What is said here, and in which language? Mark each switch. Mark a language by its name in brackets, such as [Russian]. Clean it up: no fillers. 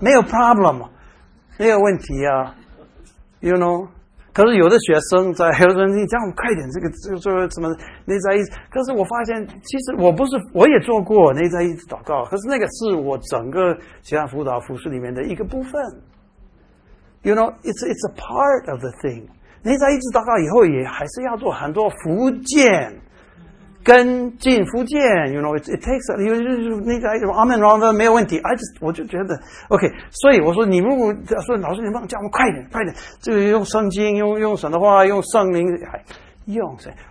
[Chinese] 没有 problem， 没有问题啊 ， [English] you know。 [Chinese] 可是有的学生在学生你叫我快点，这个什么内在意志，可是我发现其实我也做过内在意志祷告，可是那个是我整个其他辅导服侍里面的一个部分。 [English] You know, it's a part of the thing. [Chinese] 内在意志祷告以后也还是要做很多复健，跟进复健。 [English] You know, it takes a, you know, [Chinese] 内在意志阿门，阿门，没有问题。我就觉得 OK。所以我说，你如果说老师，你能不能叫我们快点，快点，这个用圣经，用神的话，用圣灵，用谁？